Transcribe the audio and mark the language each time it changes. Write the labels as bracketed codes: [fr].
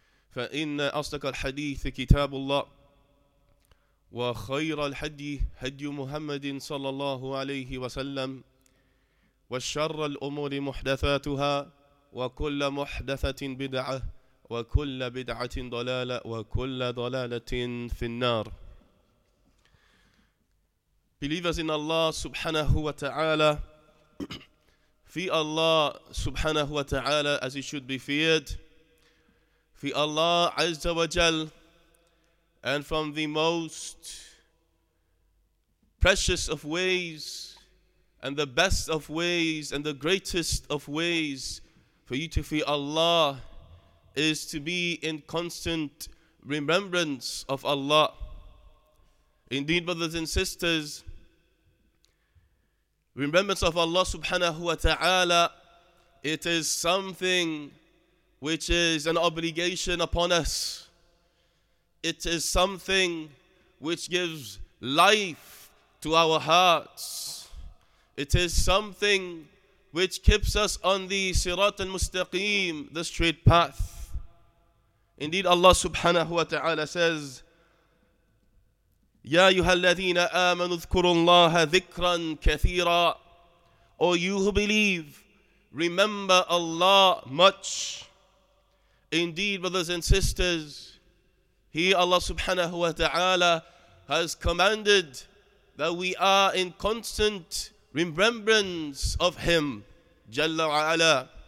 [ar] فإن أصدق الحديث كتاب الله وخير الهدي هدي محمد صلى الله عليه وسلم وشر الأمور محدثاتها وكل محدثة بدعة وكل بدعة ضلالة وكل ضلالة في النار. [en] Believers in Allah subhanahu wa ta'ala, fear Allah subhanahu wa ta'ala as it should be feared, fear Allah azza wa jal, and from the most precious of ways and the best of ways and the greatest of ways for you to fear Allah is to be in constant remembrance of Allah. Indeed, brothers and sisters, remembrance of Allah subhanahu wa ta'ala, it is something which is an obligation upon us. It is something which gives life to our hearts. It is something which keeps us on the sirat al-mustaqim, the straight path. Indeed, Allah subhanahu wa ta'ala says, [ar] يَا أَيُّهَا الَّذِينَ آمَنُوا اذْكُرُوا اللَّهَ ذِكْرًا كَثِيرًا. [en] O you who believe, remember Allah much. Indeed, brothers and sisters, He, Allah subhanahu wa ta'ala, has commanded that we are in constant remembrance of Him, Jalla wa ala.